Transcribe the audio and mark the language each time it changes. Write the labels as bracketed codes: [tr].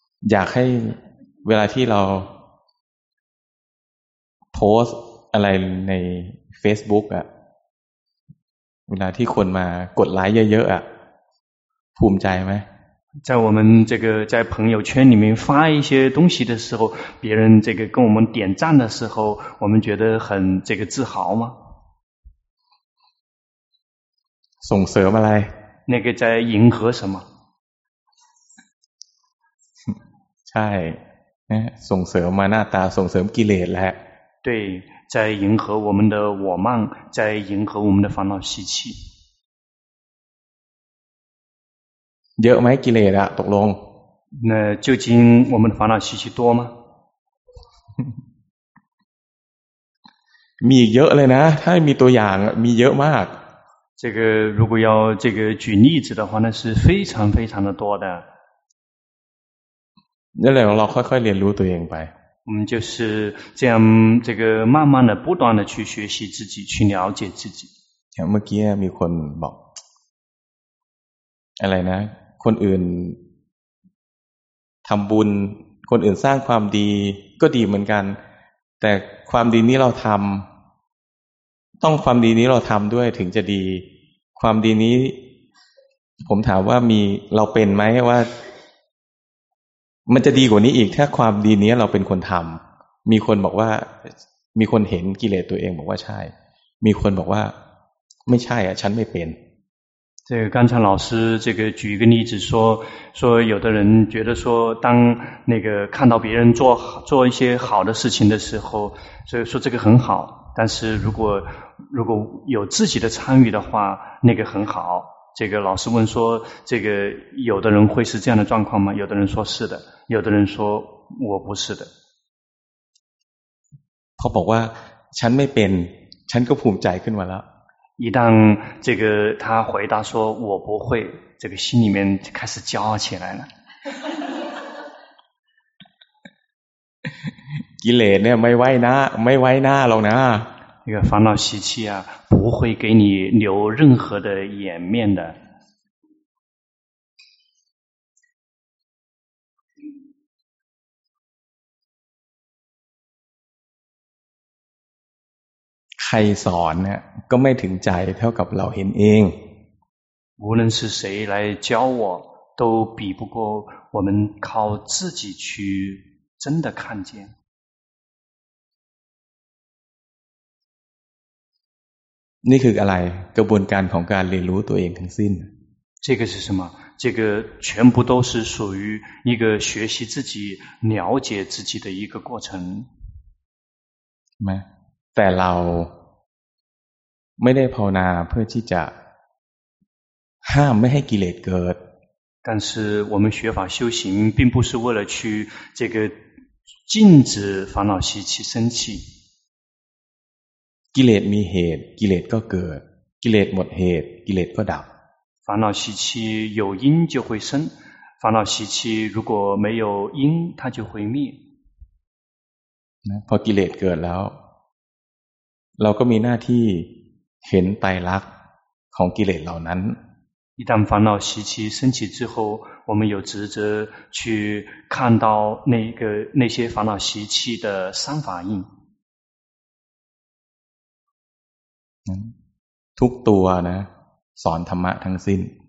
[th] อยากให้เวลาที่เราโพสอะไรใน Facebook อะเวลาที่คนมากดไลค์เยอะๆอะภูมิใจไหม [zh] 在我们这个在朋友圈里面发一些东西的时候别人这个跟我们点赞的时候我们觉得很这个自豪吗 [th] ส่งเสริมอะไร [zh] 那个在迎合什么 [th] ใช่ส่งเสริมมาหน้าตาส่งเสริมกิเลสแหละ [zh] 对在迎合我们的我慢在迎合我们的烦恼习气 [th] เยอะไหมกิเลสอะตกลง [zh] 那究竟我们的烦恼习气多吗 [th] มีเยอะเลยนะถ้ามีตัวอย่างมีเยอะมาก [zh] 这个如果要这个举例子的话那是非常非常的多的 [th] นั่นแหละเราค่อยๆเรียนรู้ตัวเองไป [zh] อืม就是这样这个慢慢的不断的去学习自己去了解自己 [th] อย่างเมื่อกี้มีคนบอกอะไรนะคนอื่นทำบุญคนอื่นสร้างความดีก็ดีเหมือนกันแต่ความดีนี้เราทำต้องความดีนี้เราทำด้วยถึงจะดีความดีนี้ผมถามว่ามีเราเป็นไหมว่า มันจะดีกว่านี้อีกถ้าความดีนี้เราเป็นคนทำมีคนบอกว่ามีคนเห็นกิเลสตัวเองบอกว่าใช่มีคนบอกว่าไม่ใช่อ่ะฉันไม่เป็น [zh] 这个刚才老师这个举一个例子说，说有的人觉得说，当那个看到别人做一些好的事情的时候，所以说这个很好。但是如果有自己的参与的话，那个很好。这个老师问说，这个有的人会是这样的状况吗？有的人说是的，有的人说我不是的。他说：“我， [th] ฉันไม่เป็น，ฉันก็ภูมิใจขึ้นมาแล้ว。” [zh] 一旦这个他回答说我不会，这个心里面就开始骄傲起来了。积累呢，没歪呢，没歪呢，老娘。这个烦恼习气啊，不会给你留任何的颜面的。 [th] ใครสอนเนี่ยก็ไม่ถึงใจเท่ากับเราเห็นเอง [zh] 无论是谁来教我都比不过我们靠自己去真的看见 [th] นี่คืออะไรกระบวนการของการเรียนรู้ตัวเองทั้งสิ้น [zh] 这个是什么这个全部都是属于一个学习自己了解自己的一个过程 [th] ไหมแต่เราไม่ได้ภาวนาเพื่อที่จะห้ามไม่ให้กิเลสเกิด [zh] 但是我们学法修行并不是为了去这个禁止烦恼习气生气 [th] กิเลสมีเหตุกิเลสก็เกิดกิเลสหมดเหตุกิเลสก็ดับ [zh] 烦恼习气有因就会生烦恼习气如果没有因它就会灭 [th] พอกิเลสเกิดแล้วเราก็มีหน้าที่เห็นไตรลักษณ์ของกิเลสเหล่านั้น [zh] 一旦烦恼习气升起之后我们有职责去看到那些烦恼习气的三法印 [th] ทุกตัวนะสอนธรรมะทั้งสิ้น